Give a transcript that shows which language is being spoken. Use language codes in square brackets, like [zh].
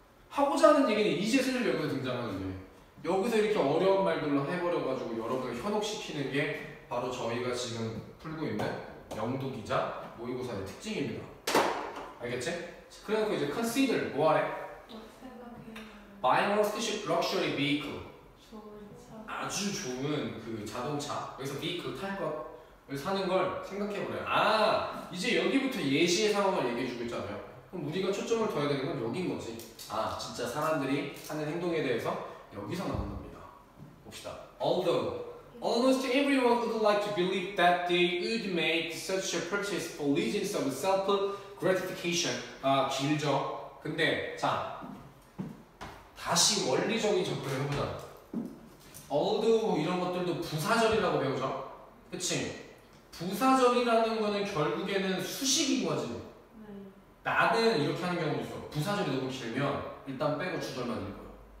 [ko] 하고자 하는 얘기는 이제 슬슬 여기서 등장하는데 여기서 이렇게 어려운 말들로 해버려가지고 여러분을 현혹시키는 게 바로 저희가 지금 풀고 있는 영두기자 모의고사의 특징입니다. 알겠지? 그래놓고 이제 consider 뭐하래? 생각해요. [en] Buying a luxury vehicle. [ko] 아주 좋은 그 자동차 여기서 vehicle 탈 것을 사는 걸 생각해보래요. 아 이제 여기부터 예시의 상황을 얘기해주고 있잖아요. 그럼 우리가 초점을 둬야 되는 건 여긴 거지. 아 진짜 사람들이 하는 행동에 대해서 여기서 나온 겁니다. 봅시다. [en] Although almost everyone would like to believe that they would make such a purchase for reasons of self gratification. [ko] 아 길죠. 근데 자 다시 원리적인 접근을 해보자. Although 이런 것들도 부사절이라고 배우죠. 그치? 부사절이라는 거는 결국에는 수식인 거지. 네. 나는 이렇게 하는 경우도 있어. 부사절이 너무 길면 일단 빼고 주절만 읽어요.